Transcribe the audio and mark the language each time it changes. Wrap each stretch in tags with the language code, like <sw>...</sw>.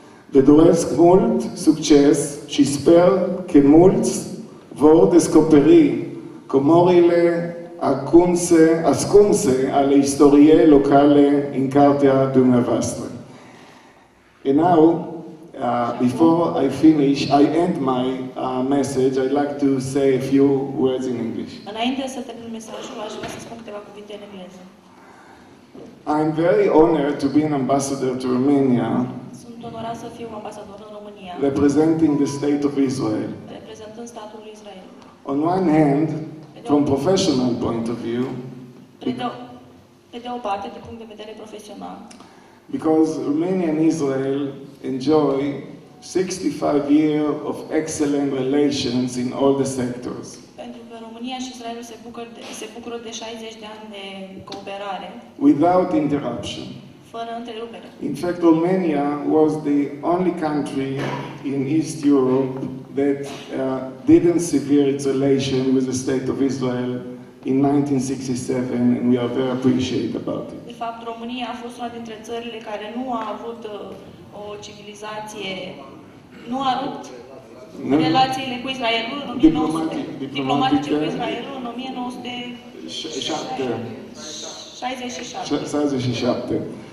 <ro>Le doresc mult succes și sper că mulți vor descoperi comorile ascunse ale istoriei locale în cartea dumneavoastră.</ro> <en>And now, before I finish, I end my message, I'd like to say a few words in English.</en> <ro>Înainte să termin mesajul, aș vrea să spun câteva cuvinte în engleză.</ro> <en>I'm very honored to be an ambassador to Romania.</en> <ro>Sunt onorat să fiu ambasador în România.</ro> <en>Representing the state of Israel.</en> <ro>Reprezentând statul lui Israel.</ro> <en>On one hand, from professional point of view,</en> <ro>pe de o parte, din punct de vedere profesional,</ro> <en>because Romania and Israel enjoy 65 years of excellent relations in all the sectors.</en> <ro>Pentru că România și Israelul se bucură de 60 de ani de cooperare.</ro> <en>Without interruption.</en> <ro>Fără întrerupere.</ro> <en>In fact, Romania was the only country in East Europe that didn't sever its relation with the State of Israel in 1967, and we are very appreciative about it.</en> <ro>De fapt, România a fost una dintre țările care nu a avut o civilizație, nu a rupt relațiile cu Israelul în 1967.</ro>